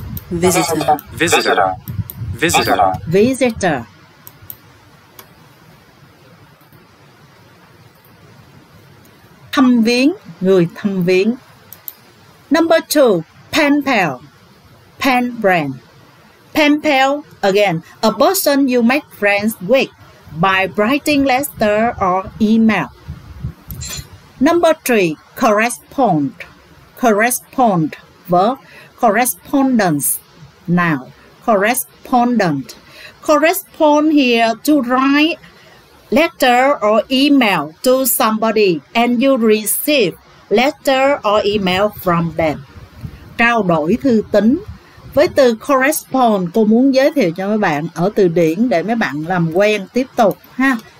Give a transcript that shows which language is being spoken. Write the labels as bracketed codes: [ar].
[en] Visitor. Visitor. Visitor. Visitor. Visitor. [vi] Thăm viếng, người thăm viếng. [en] Number two, pen pal, pen friend. Pen pal, again, a person you make friends with by writing letter or email. Number three, correspond. Correspond, verb. Correspondence, noun. Correspondent. Correspond here, to write letter or email to somebody and you receive letter or email from them. [vi] Trao đổi thư tín. Với từ correspond, cô muốn giới thiệu cho mấy bạn ở từ điển để mấy bạn làm quen tiếp tục ha.